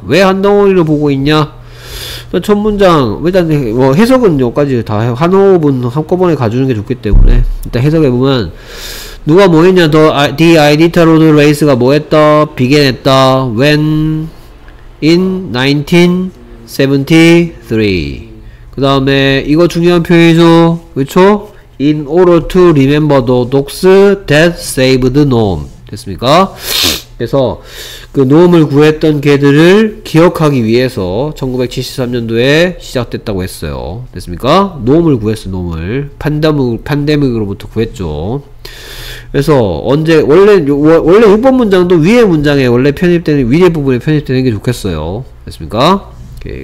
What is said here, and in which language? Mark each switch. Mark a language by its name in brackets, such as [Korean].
[Korean] 왜 한 덩어리로 보고 있냐? 첫 문장 일단 뭐 해석은 요까지 다 한 호흡은 한꺼번에 가주는 게 좋기 때문에 일단 해석해보면 누가 뭐 했냐? [English] The Iditarod Road Race [Korean] 가 뭐 했다? [English] Began [Korean] 했다. [English] When in 1973. [Korean] 그 다음에 이거 중요한 표현이죠. 그쵸? [English] In order to remember the dogs that saved Nome. [Korean] 됐습니까? 그래서 그 Nome을 구했던 개들을 기억하기 위해서 1973년도에 시작됐다고 했어요. 됐습니까? Nome을 구했어. Nome을 팬데믹으로부터 구했죠. 그래서 언제 원래 6번 문장도 위에 문장에 원래 편입되는 위에 부분에 편입되는 게 좋겠어요. 됐습니까? 오케이.